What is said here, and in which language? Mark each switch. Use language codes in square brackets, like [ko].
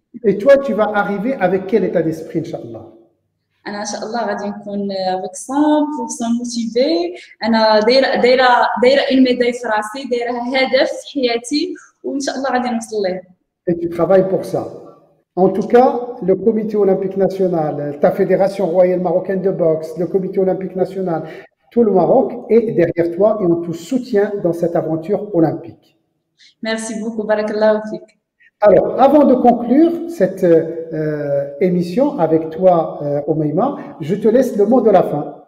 [fr] اي توا tu vas arriver avec quel état d'esprit ان شاء الله؟ [ar] انا ان شاء الله غادي نكون [fr] avec 100% motivé. [ar] انا دايره [fr] une médaille [ar] في راسي، دايره هدف في حياتي، وان شاء الله غادي نوصل ليه. [fr] اي tu travailles pour ça. En tout cas, le comité olympique national, ta fédération royale marocaine de boxe, le comité olympique national, tout le Maroc est derrière toi et on te soutient dans cette aventure olympique. Merci beaucoup, barakallahu fik. Alors, avant de conclure cette émission avec toi, Omeima, je te laisse le mot de la fin.